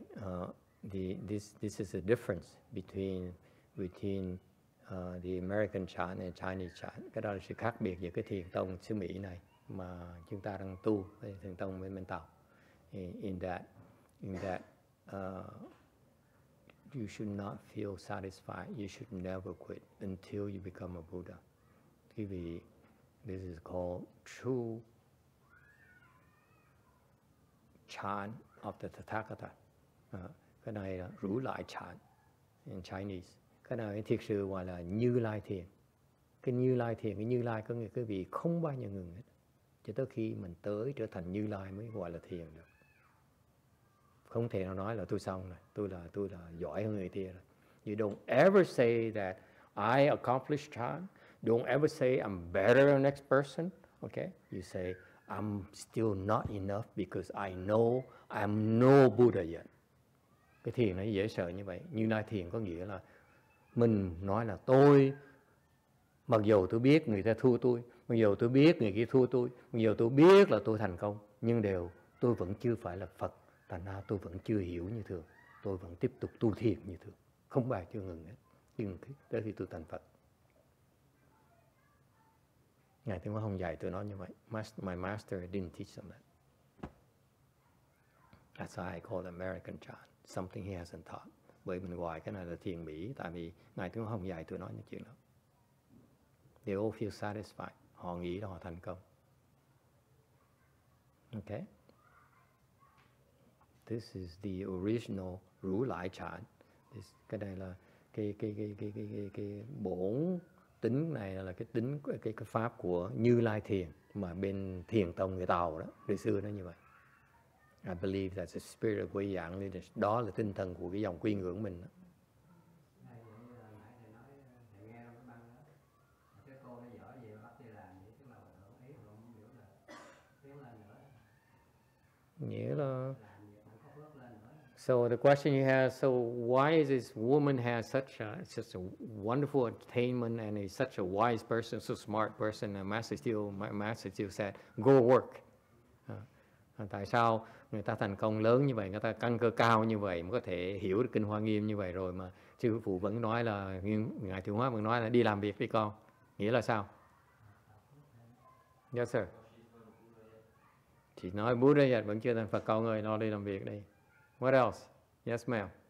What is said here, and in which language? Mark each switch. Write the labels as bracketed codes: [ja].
[en] And that's why this is the difference between the American chan and Chinese chan. [vi] Cái đó là sự khác biệt giữa cái thiền tông xứ Mỹ này mà chúng ta đang tu với thiền tông bên bên Tàu. [en] You should not feel satisfied. You should never quit until you become a Buddha. This is called true chan of the Tathagata. [vi] Cái này là rủ lại chan [en] in Chinese. [vi] Cái này thiệt sự gọi là như lai thiền. Cái như lai thiền, cái như lai có nghĩa quý vị không bao giờ ngừng hết. Cho tới khi mình tới trở thành như lai mới gọi là thiền được. Không thể nào nói là tôi xong rồi, tôi là giỏi hơn người kia rồi. [en] You don't ever say that I accomplished chan. Don't ever say I'm better than the next person. Okay? You say I'm still not enough because I know I'm no Buddha yet. [vi] Cái thiền nó dễ sợ như vậy. Như lai thiền có nghĩa là mình nói là tôi, mặc dù tôi biết người ta thua tôi, mặc dù tôi biết người kia thua tôi, mặc dù tôi biết là tôi thành công, nhưng đều tôi vẫn chưa phải là Phật. Thành ra tôi vẫn chưa hiểu như thường. Tôi vẫn tiếp tục tu thiền như thường. Không bao giờ ngừng hết. Nhưng thế thì tôi thành Phật. Ngài Tiếng Hóa không dạy tôi nói như vậy. [en] My master didn't teach them that. That's why I call it American chan. Something he hasn't taught. [vi] Bởi mình gọi cái này là thiền Mỹ. Tại vì Ngài Tiếng Hóa không dạy tôi nói như chuyện đó. [en] They all feel satisfied. [vi] Họ nghĩ là họ thành công. [en] Okay? This is the original Rú Lại Chán. [vi] Cái này là cái bổn tính này là cái tính cái pháp của Như Lai Thiền mà bên Thiền Tông người Tàu đó, từ xưa nó như vậy. [en] I believe that's the spirit of Quy Dạng Lineage. [vi] Đó là tinh thần của cái dòng quy ngưỡng mình đó. Nghĩa là [en] so the question you have, so why is this woman has such a wonderful attainment and is such a wise person, so smart person, and my master still said, go work. [vi] Tại sao người ta thành công lớn như vậy, người ta căn cơ cao như vậy, mới có thể hiểu được Kinh Hoa Nghiêm như vậy rồi mà Chư Phụ vẫn nói là, Ngài Thiếu Hóa vẫn nói là đi làm việc đi con. Nghĩa là sao? [en] Yes, sir. [vi] Chỉ nói [en] Buddha yet, [vi] vẫn chưa thành Phật, con ơi, nó đi làm việc đi. [en] What else? Yes, ma'am.